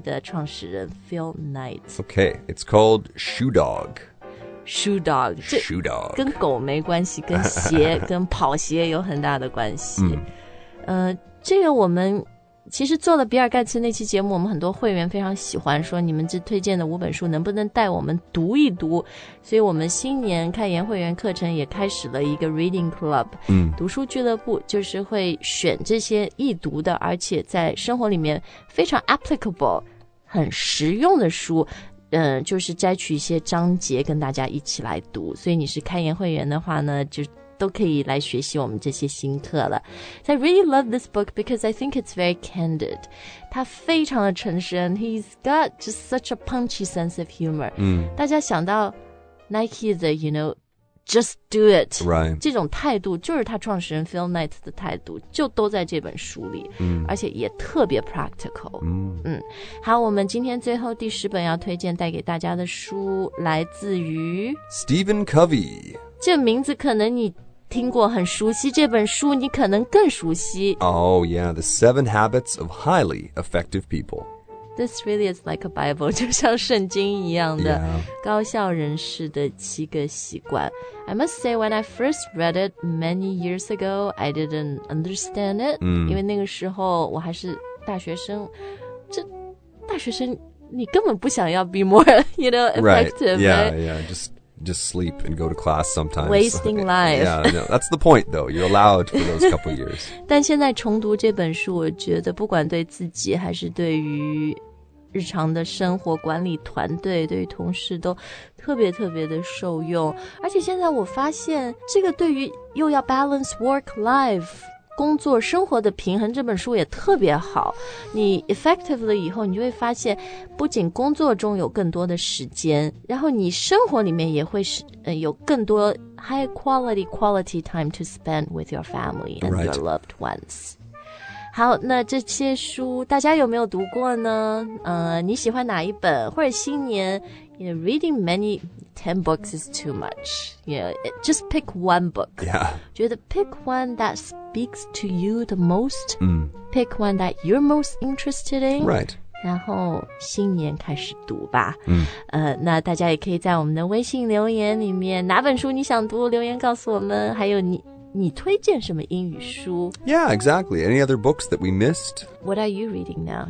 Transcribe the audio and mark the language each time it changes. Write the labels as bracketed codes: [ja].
[zh] 的创始人 Phil Knight. [en] Okay, it's called Shoe Dog. Shoe Dog. Shoe Dog. [zh] 跟狗没关系，跟鞋跟跑鞋有很大的关系。这个我们其实做了比尔盖茨那期节目，我们很多会员非常喜欢，说你们这推荐的五本书能不能带我们读一读，所以我们新年开研会员课程也开始了一个 reading club、读书俱乐部，就是会选这些易读的而且在生活里面非常 applicable 很实用的书，就是摘取一些章节跟大家一起来读，所以你是开研会员的话呢，就都可以来学习我们这些新课了。 [en] I really love this book because I think it's very candid. [zh] 他非常的诚实， [en] He's got just such a punchy sense of humor. [zh] 大家想到 Nike 的 [en] you know, just do it、 right. [zh] 这种态度就是他创始人 Phil Knight 的态度，就都在这本书里、而且也特别 practical、好，我们今天最后第十本要推荐带给大家的书来自于 [en] Stephen Covey， [zh] 这名字可能你听过，很熟悉，这本书你可能更熟悉。 [en] Oh yeah, The 7 Habits of Highly Effective People. This really is like a Bible, [zh] 就像圣经一样的、 [en] yeah. [zh] 高效人士的七个习惯。 [en] I must say, when I first read it many years ago, I didn't understand it.、 [zh] 因为那个时候我还是大学生，这大学生你根本不想要 [en] be more, you know, effective. Right, yeah, just sleep and go to class sometimes. Wasting life. Yeah, no, that's the point though. You're allowed for those couple years. [zh] 但现在重读这本书，我觉得不管对自己还是对于日常的生活管理团队，对于同事都特别特别的受用。而且现在我发现这个对于又要 [en] balance work life [zh] 工作生活的平衡，这本书也特别好。你 effectively 以后，你就会发现，不仅工作中有更多的时间，然后你生活里面也会有更多 [en] high quality time to spend with your family and your loved ones. [zh] 好，那这些书大家有没有读过呢？你喜欢哪一本？或者新年 [en] You know, reading many, 10 books is too much. You know, it, just pick one book. Yeah. Do you have to pick one that speaks to you the most? Mm. Pick one that you're most interested in. Right. [zh] 然后新年开始读吧、嗯那大家也可以在我们的微信留言里面哪本书你想读留言告诉我们还有 你推荐什么英语书 [en] Yeah, exactly. Any other books that we missed? What are you reading now?